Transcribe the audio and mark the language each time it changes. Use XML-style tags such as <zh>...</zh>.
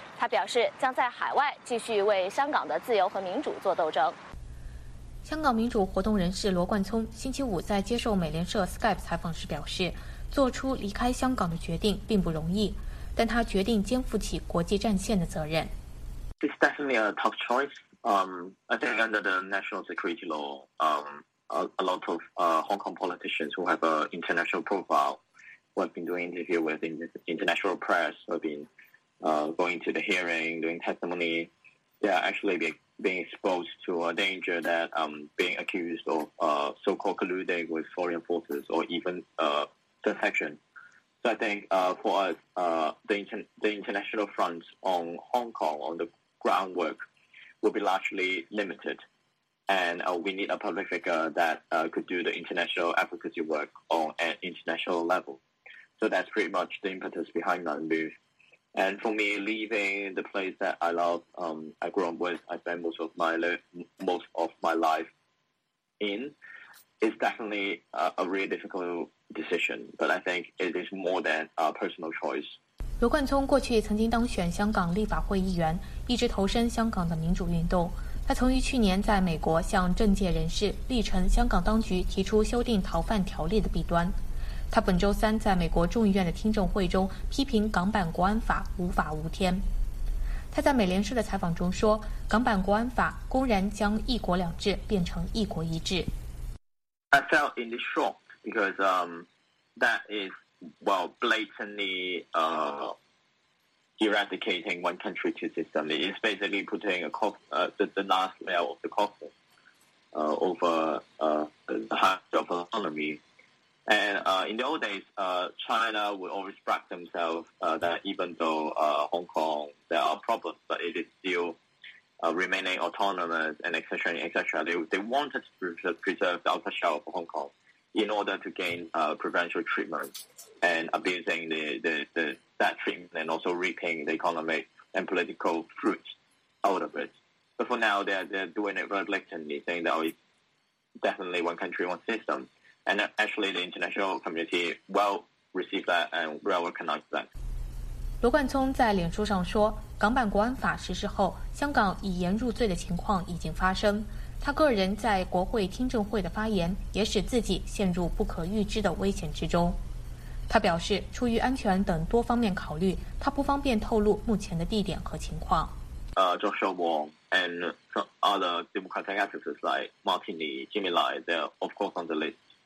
<zh>他表示将在海外继续为香港的自由和民主做斗争。香港民主活动人士罗冠聪星期五在接受美联社 Skype 采访时表示，做出离开香港的决定并不容易，但他决定肩负起国际战线的责任。</zh> <en>It's definitely a tough choice. I think under the national security law, a lot of Hong Kong politicians who have an international profile, who have been doing interview with international press, who have been going to the hearing, doing testimony, they are actually being exposed to a danger that being accused of so-called colluding with foreign forces or even defection. So I think for us, the international front on Hong Kong, on the groundwork, will be largely limited. And we need a public figure that could do the international advocacy work on an international level. So that's pretty much the impetus behind that move. And for me, leaving the place that I love, I grew up with, I spent most of my life in, is definitely a really difficult decision. But I think it is more than a personal choice.</en> <zh>罗冠聪过去曾经当选香港立法会议员，一直投身香港的民主运动。他曾于去年在美国向政界人士力陈香港当局提出修订逃犯条例的弊端。他本周三在美国众议院的听证会中批评港版国安法无法无天。他在美联社的采访中说，港版国安法公然将一国两制变成一国一制。</zh> <en>I felt in the shock because that isWell, blatantly eradicating one country, two systems. It's basically putting the last layer of the coffin over the heart of an economy. And in the old days, China would always brag themselves that even though Hong Kong, there are problems, but it is still remaining autonomous and et cetera, et cetera. They wanted to preserve the outer shell of Hong Kong. In order to gain provincial treatment and abusing that treatment and also reaping the economic and political fruits out of it. But for now, they're doing it very blatantly, saying that it's definitely one country, one system. And actually, the international community well received that and well recognized that.</en> <zh>罗冠聪在脸书上说，港版国安法实施后，香港以言入罪的情况已经发生。他个人在国会听证会的发言也使自己陷入不可预知的危险之中。他表示，出于安全等多方面考虑，他不方便透露目前的地点和情况。</zh> <en>Joshua Wong and some other Democratic activists like Martin Lee, Jimmy Lai, they're of course on the list.</en>